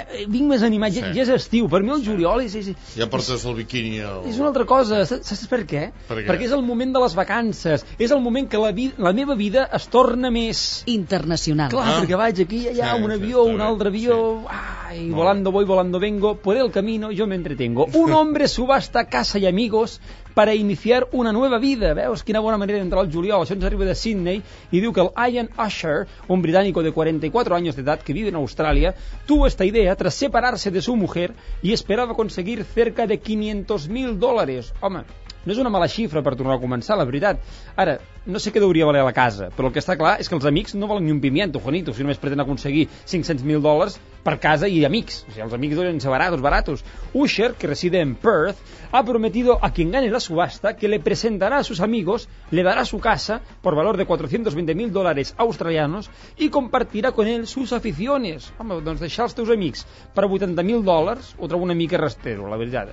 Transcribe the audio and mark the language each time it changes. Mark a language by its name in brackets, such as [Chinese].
[Catalan] Vinc més animat, sí. Ja és estiu. Per mi el juliol és... Ja portes el biquini. És una altra cosa. Saps per què? Perquè és el moment de les vacances. És el moment que la meva vida es torna més... Internacional. Clar, perquè vaig aquí, allà, sí, un avió, un altre avió... [Spanish] Sí. Ai, volando voy, volando vengo. Por el camino yo me entretengo. Un hombre subasta casa y amigos para iniciar una nueva vida. [Catalan] Veus quina bona manera d'entrar al juliol. Això ens arriba de Sydney i diu que el Ian Usher, [Spanish] un británico de 44 años de edad que vive en Australia, tuvo esta idea tras separarse de su mujer y esperaba conseguir cerca de 500.000 dólares. [Catalan] Home, no és una mala xifra per tornar a començar, la veritat. Ara, no sé què deuria valer la casa, però el que està clar és que els amics no valen ni un pimiento, Juanito, si només pretén aconseguir 500.000 dòlars per casa i amics. O sigui, els amics deuen ser baratos. [Spanish] Usher, que reside en Perth, ha prometido a quien gane la subasta que le presentará a sus amigos, le dará su casa por valor de 420.000 dòlares australianos y compartirá con él sus aficiones. [Catalan] Home, doncs deixar els teus amics per 80.000 dòlars ho trobo una mica rastero, la veritat.